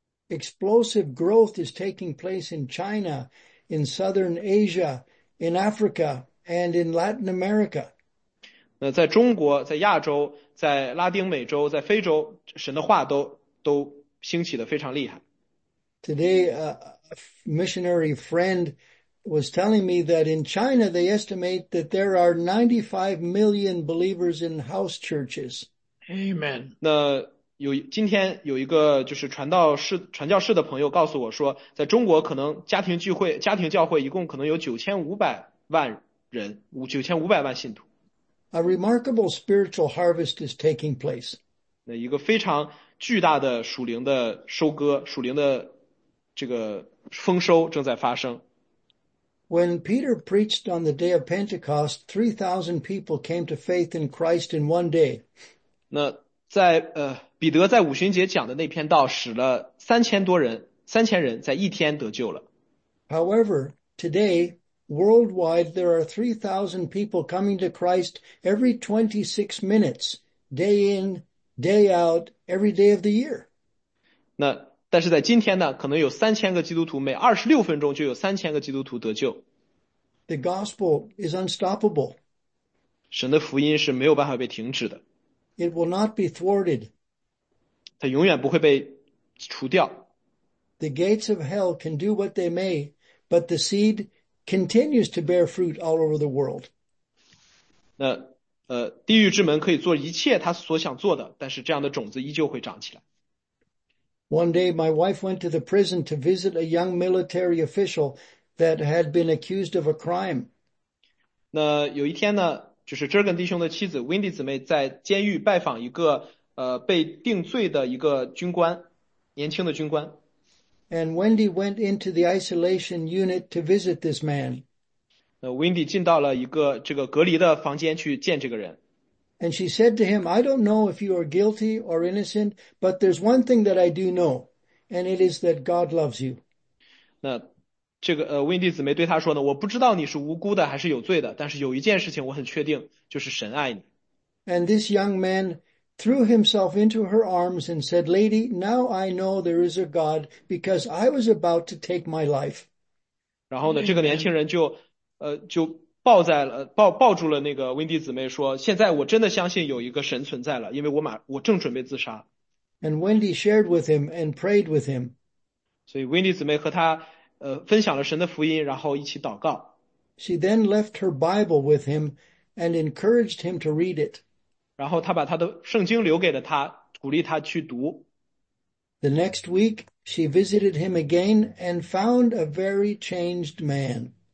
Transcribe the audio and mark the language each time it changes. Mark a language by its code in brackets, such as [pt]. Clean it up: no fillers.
[en] Explosive growth is taking place in China. In Southern Asia, in Africa, and in Latin America. [zh] 那在中国，在亚洲，在拉丁美洲，在非洲，神的话都兴起的非常厉害。 [en] Today, a missionary friend was telling me that in China, they estimate that there are 95 million believers in house churches. Amen. [zh] 那今天有一个就是传教士的朋友告诉我说，在中国可能家庭教会一共可能有9500万信徒。 [en] A remarkable spiritual harvest is taking place. [zh] 那一个非常巨大的属灵的收割，属灵的这个丰收正在发生。 [en] When Peter preached on the day of Pentecost, 3,000 people came to faith in Christ in one day. [zh] 那在彼得在五旬节讲的那篇道使了3000人在一天得救了。 [en] However, today, worldwide, there are 3,000 people coming to Christ every 26 minutes day in, day out, every day of the year. [zh] 那但是在今天呢，可能有3000个基督徒，每26分钟就有3000个基督徒得救。 [en] The gospel is unstoppable. [zh] 神的福音是没有办法被停止的。 [en] It will not be thwarted. [zh] 它永远不会被除掉。 [en] The gates of hell can do what they may, but the seed continues to bear fruit all over the world. [zh] 那地狱之门可以做一切他所想做的，但是这样的种子依旧会长起来。 [en] One day, my wife went to the prison to visit a young military official that had been accused of a crime. [zh] 那有一天呢，就是 Jurgen 弟兄的妻子 Wendy 姊妹在监狱拜访一个被定罪的一个军官，年轻的军官。 [en] And Wendy went into the isolation unit to visit this man. [zh] Wendy 进到了一个这个隔离的房间去见这个人。 [en] And she said to him, I don't know if you are guilty or innocent, but there's one thing that I do know, and it is that God loves you. [zh] 那这个Wendy 姊妹对他说呢，我不知道你是无辜的还是有罪的，但是有一件事情我很确定，就是神爱你。 [en] And this young man threw himself into her arms and said, Lady, now I know there is a God because I was about to take my life. [zh] 然后呢，这个年轻人就抱在了抱抱住了那个温蒂姊妹，说：“现在我真的相信有一个神存在了，因为我正准备自杀。” [en] And Wendy shared with him and prayed with him. [zh] 所以温蒂姊妹和他分享了神的福音，然后一起祷告。 [en] She then left her Bible with him and encouraged him to read it. [zh] 然后他把他的圣经留给了他，鼓励他去读。 [en] The next week, she visited him again and found a very changed man.